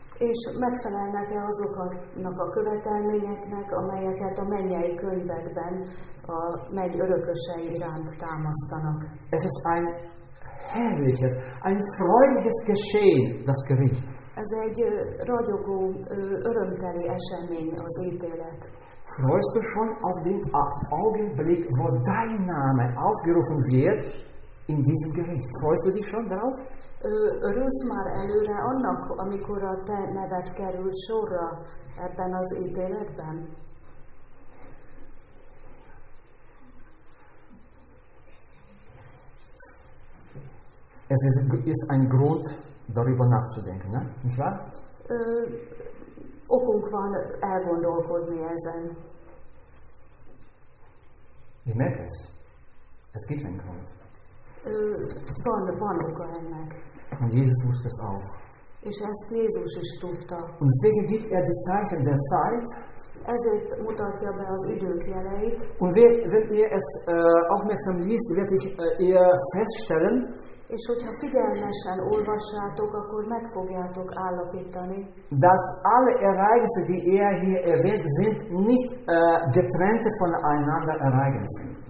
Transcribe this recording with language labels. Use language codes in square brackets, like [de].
[hu] És megfelelnek-e azoknak a követelményeknek, amelyeket a mennyei könyvekben a menny örökösei iránt támasztanak. [de] Es ist ein herrliches, ein freudiges Geschehen, das Gericht. [hu] Ez egy ragyogó, örömteli esemény az ítélet. [de] Freust du schon auf den Augenblick, wo dein Name aufgerufen wird in diesem Gericht? Freust du dich schon darauf? [hu] Örülsz már előre annak, amikor a te neved kerül sorra ebben az ítéletben? [de] Es ist ein Grund, darüber nachzudenken, ne? Nicht wahr? [hu] Okunk van elgondolkodni ezen. [de] Ihr merkt es. Es gibt einen Grund. [hu] Van oka ennek. [de] Und Jesus wusste es auch. [hu] És ezt Jézus is tudta. [de] Und deswegen gibt er die Zeichen der Zeit. [hu] Ezért mutatja be az idők jeleit. [de] Und wenn ihr es aufmerksam liest, wird sich ihr feststellen. [hu] És hogyha figyelmesen olvassátok, akkor meg fogjátok állapítani. [de] Dass alle Ereignisse, die er hier erwähnt, sind nicht getrennte voneinander Ereignisse.